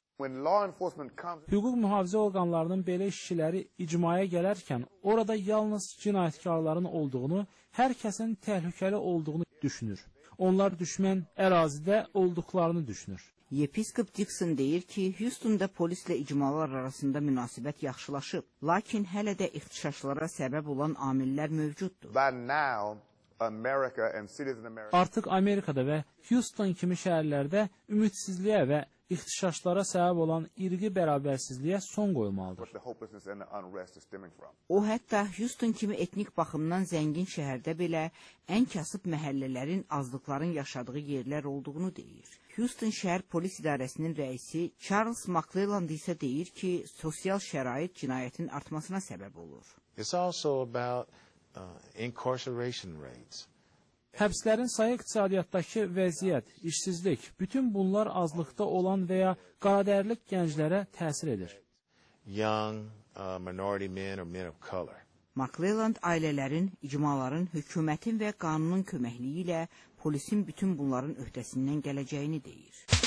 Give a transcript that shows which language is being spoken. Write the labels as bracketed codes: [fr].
[az] Hüquq mühafizə orqanlarının belə işçiləri icmaya gələrkən orada yalnız cinayətkarların olduğunu, hər kəsin təhlükəli olduğunu düşünür. Onlar düşmən ərazidə olduqlarını düşünür. Yepiskop Dixon deyir ki, Houston'da polislə icmalar arasında münasibət yaxşılaşıb, lakin hələ də ixtişaşlara səbəb olan amillər mövcuddur. [en] By now, America and cities in America. [az] Artıq Amerikada və Houston kimi şəhərlərdə ümitsizliyə və İxtişaşlara səbəb olan irqi bərabərsizliyə son qoyulmalıdır. O, hətta Houston kimi etnik baxımdan zəngin şəhərdə belə ən kasıb məhəllələrin azlıqların yaşadığı yerlər olduğunu deyir. Houston şəhər polis idarəsinin rəisi Charles McClelland isə deyir ki, sosial şərait cinayətin artmasına səbəb olur. [en] It's also about incarceration rates. [az] Həbslərin sayı, iqtisadiyyatdakı vəziyyət, işsizlik, bütün bunlar azlıqda olan və ya qaradərlik gənclərə təsir edir. [en] Young minority men or men of color. [az] McClelland ailələrin, icmaların, hökumətin və qanunun köməkliyi ilə polisin bütün bunların öhdəsindən gələcəyini deyir.